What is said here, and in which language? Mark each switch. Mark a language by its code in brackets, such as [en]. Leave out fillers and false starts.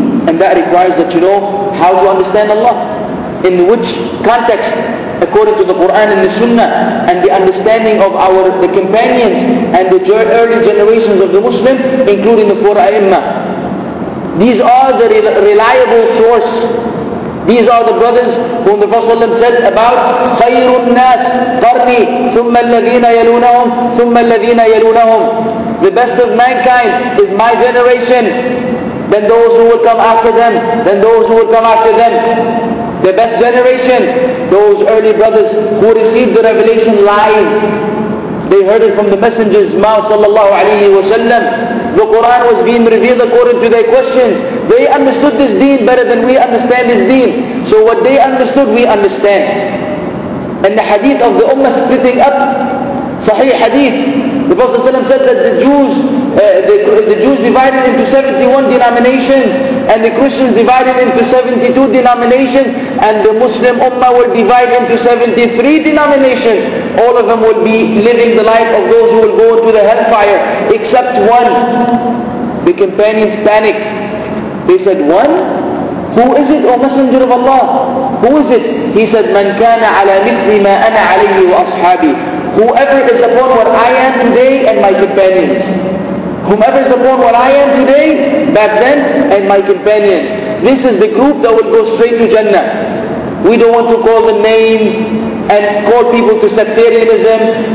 [en] And that requires that you know how to understand Allah, in which context, according to the Quran and the Sunnah, and the understanding of the companions and the early generations of the Muslim, including the four a'imma. These are the reliable source. These are the brothers whom the Prophet ﷺ said about [ar] خَيْرٌ النَّاسِ قَرْنِي ثُمَّ الَّذِينَ يَلُونَهُمْ [en] ثُمَّ الَّذِينَ يَلُونَهُمْ. The best of mankind is my generation, then those who will come after them, then those who will come after them. The best generation, those early brothers who received the revelation live. They heard it from the messenger's mouth sallallahu alayhi wa sallam. The Quran was being revealed according to their questions. They understood this deen better than we understand this deen. So what they understood, we understand. And the hadith of the ummah splitting up, sahih hadith, the Prophet ﷺ said that the Jews divided into 71 denominations, and the Christians divided into 72 denominations, and the Muslim ummah will divide into 73 denominations. All of them will be living the life of those who will go into the hellfire, except one. The companions panicked. They said, one? Who is it, O Messenger of Allah? Who is it? He said, [ar] مَنْ كَانَ عَلَى مِثْلِ مَا أَنَا عَلَيْهِ وَأَصْحَابِي. [en] Whoever is upon what I am today and my companions. Whomever is upon what I am today, back then, and my companions. This is the group that will go straight to Jannah. We don't want to call the names and call people to sectarianism.